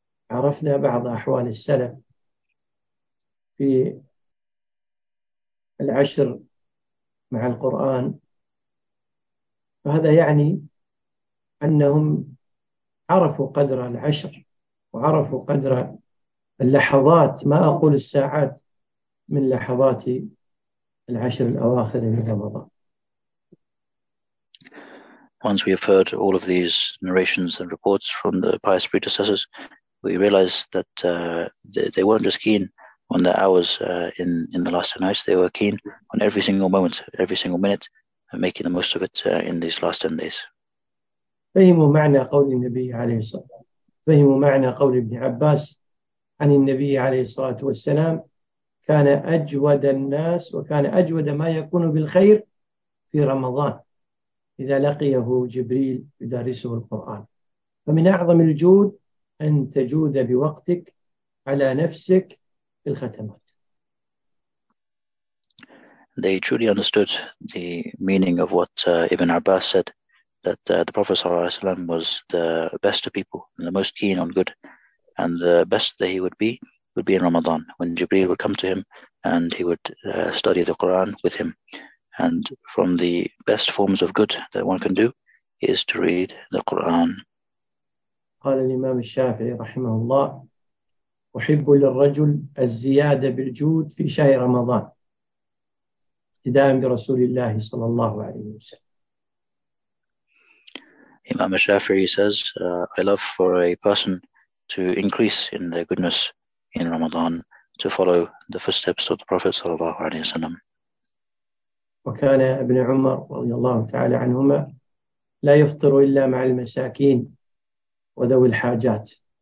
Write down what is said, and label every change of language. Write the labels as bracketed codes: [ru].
[ar] عرفنا بعض أحوال السلف في العشر مع القرآن، فهذا يعني أنهم عرفوا قدر العشر وعرفوا قدر اللحظات، ما أقول الساعات، من لحظات العشر الأواخر من رمضان. [en] Once we have heard all of these narrations and reports from the pious predecessors, we realize that they weren't just keen on the hours in the last 10 nights. They were keen on every single moment, every single minute, and making the most of it in these last 10 days. [ar] فهموا معنى قول النبي عليه الصلاة فهموا معنى قول ابن عباس عن النبي عليه الصلاة والسلام كان أجود الناس وكان أجود ما يكون بالخير في رمضان إذا لقيه جبريل يدرسه القرآن. فمن أعظم الجود أن تجود بوقتك على نفسك في الختمات. [en] They truly understood the meaning of what Ibn Abbas said, that the Prophet [ar] sallallahu alaihi wasallam [en] was the best of people and the most keen on good, and the best that he would be in Ramadan, when Jibreel would come to him and he would study the Quran with him. And from the best forms of good that one can do is to read the Quran. [ar] قال الإمام الشافعي رحمه الله أحب للرجل الزيادة بالجود في شهر رمضان ابتداء برسول الله صلى الله عليه وسلم. [en] Imam al-Shafi'i says, I love for a person to increase in their goodness in Ramadan to follow the footsteps of the Prophet [ar] صلى الله عليه وسلم. وكان ابن عمر رضي الله تعالى عنهما لا يفطر إلا مع المساكين وذوي الحاجات.